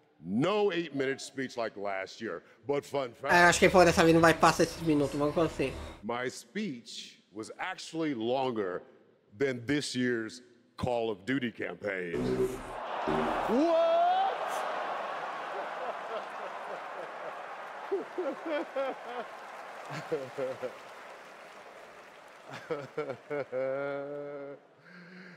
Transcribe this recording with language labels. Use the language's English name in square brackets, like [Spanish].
[English] No 8-minute speech like last year, but fun fact. [Portuguese] Acho que foi dessa vez não vai passar esses minutos, vamos conseguir. [English] My speech was actually longer than this year's Call of Duty campaign. What?